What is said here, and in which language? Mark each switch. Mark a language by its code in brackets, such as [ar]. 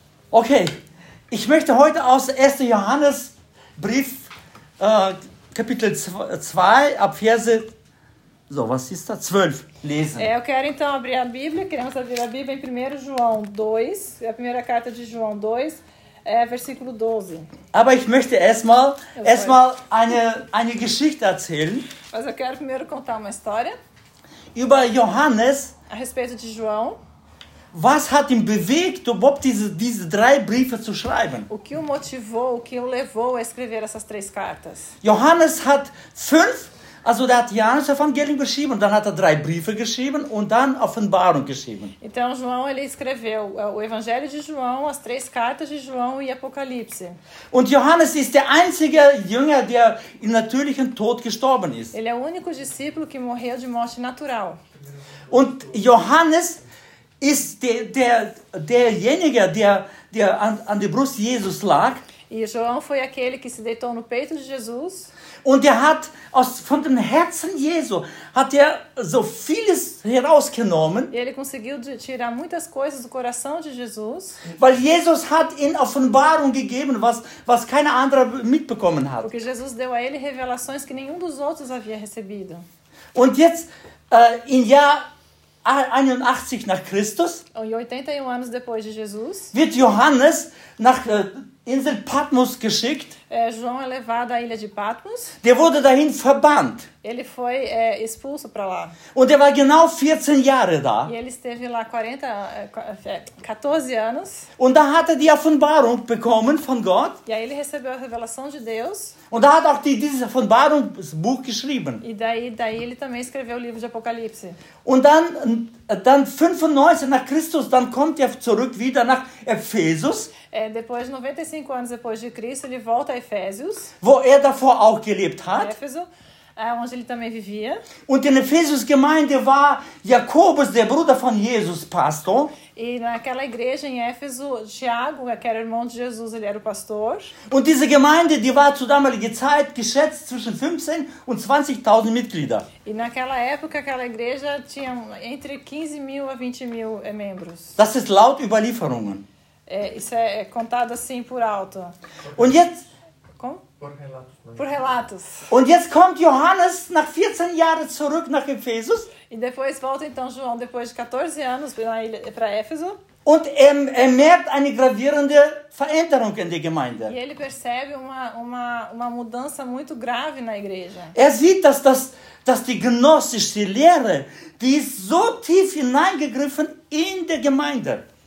[de] Ok. Ich möchte heute aus 1. Johannes Brief, Kapitel 2, ab Verse, so, was ist da? 12, lesen. [pt] Eu quero então abrir a Bíblia, queremos abrir a Bíblia em 1. João 2, a primeira carta de João 2, versículo 12. [de] Aber ich möchte erstmal eine Geschichte erzählen. [pt] Mas eu quero primeiro contar uma história. [de] Über Johannes. [pt] A respeito de João. [de] Was hat ihn bewegt, überhaupt diese drei Briefe zu schreiben? [pt] O que o motivou, o que o levou a escrever essas três cartas? [de] Johannes hat fünf, also der hat Johannes Evangelium geschrieben, dann hat drei Briefe geschrieben und dann Offenbarung geschrieben. [pt] Então João ele escreveu o Evangelho de João, as três cartas de João e Apocalipse. [de] Und Johannes ist der einzige Jünger, der im natürlichen Tod gestorben ist. [pt] Ele é o único discípulo que morreu de morte natural. [de] Und Johannes ist derjenige, der an der Brust Jesus lag. [pt] E João foi aquele que se deitou no peito de Jesus. [de] Und hat von dem Herzen Jesu hat so vieles herausgenommen. [pt] E ele conseguiu tirar muitas coisas do coração de Jesus. [de] Weil Jesus hat ihm Offenbarung gegeben, was keiner andere mitbekommen hat. [pt] Porque Jesus deu a ele revelações que nenhum dos outros havia recebido. [de] Und jetzt in Jahr 81 nach Christus, [pt] und 81 anos depois de Jesus, [de] wird Johannes nach Insel Patmos geschickt. [pt] João é levado à ilha de Patmos. [de] Der wurde dahin verbannt. [pt] Ele foi expulso para lá. [de] Und war genau 14 Jahre da. [pt] E ele esteve lá 14 anos. [de] Und da hat er die Offenbarung bekommen von Gott. [pt] E aí ele recebeu a revelação de Deus. [de] Und da hat auch dieses Offenbarungsbuch geschrieben. [pt] E daí ele também escreveu o livro de Apocalipse. [de] Und dann 95 nach Christus, dann kommt er zurück wieder nach Ephesus. [pt] Depois 95 anos depois de Cristo, ele volta a Efésios. [de] Wo er davor auch gelebt hat. [pt] Éfeso, onde ele também vivia. [de] Und in Ephesus Gemeinde war Jakobus, der Bruder von Jesus, Pastor. [pt] E naquela igreja em Éfeso, Tiago, que era irmão de Jesus, ele era o pastor. [de] Und diese Gemeinde, die war zur damaligen Zeit geschätzt zwischen 15 und 20.000 Mitglieder. [pt] E naquela época, aquela igreja tinha entre 15 mil a 20 mil membros. [de] Das ist laut Überlieferungen. [pt] Isso é contado assim por alto. [de] Und jetzt, [pt] por relatos. [de] Und jetzt kommt Johannes nach 14 Jahren zurück nach Ephesus. [pt] E depois volta então João depois de 14 anos para Éfeso. [de] Und er merkt eine gravierende Veränderung in der Gemeinde. [pt] E ele percebe uma mudança muito grave na igreja. [de] Er sieht, dass die gnostische Lehre, die ist so tief hineingegriffen in der Gemeinde.